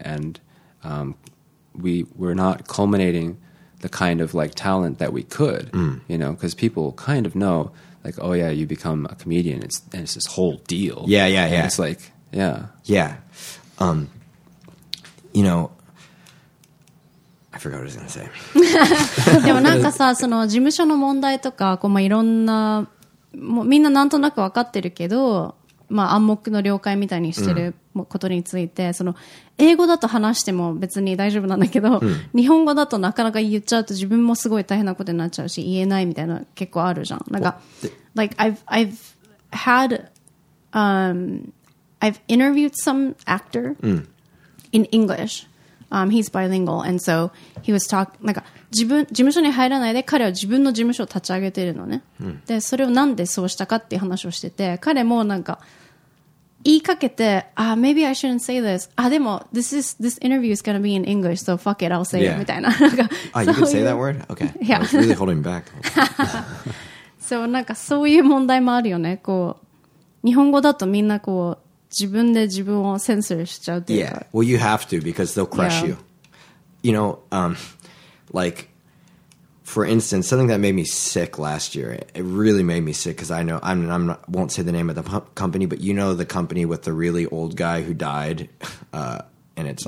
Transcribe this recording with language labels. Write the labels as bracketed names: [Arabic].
[English] And we're not culminating the kind of like talent that we could, you know, because people kind of know like, oh yeah, you become a comedian. It's this whole deal. Yeah. And it's like, yeah. Yeah. You know, I forgot what I was going to say. [Japanese] でもなんかさ、その事務所の問題とか、こう、まあ、いろんな、もうみんななんとなく分かってるけど、まあ、暗黙の了解みたいにしてることについて、うん、その英語だと話しても別に大丈夫なんだけど、うん、日本語だとなかなか言っちゃうと自分もすごい大変なことになっちゃうし言えないみたいな結構あるじゃん。 [English] なんか like I've had I've interviewed some actor、 [Japanese] うん、 [English] in English、he's bilingual and so he was talk [Japanese] なんか自分事務所に入らないで彼は自分の事務所を立ち上げているのね、うん、でそれをなんでそうしたかっていう話をしてて彼もなんか言いかけてあ、 [English] ah, maybe I shouldn't say this あ、ah, [Japanese] でも [English] this interview is gonna be in English so fuck it I'll say、yeah. it [Japanese] みたいな、なんか、 [English] ah, you can say that word? Okay. Yeah. It's really holding back. [Japanese] So なんかそういう問題もあるよね。こう日本語だとみんなこう自分で自分をセンサーしちゃうっていうか。 [English] Yeah. Well, you have to because they'll crush、yeah. you. You know, like for instance, something that made me sick last year. It really made me sick because I know I'm not, won't say the name of the company, but you know the company with the really old guy who died. And it's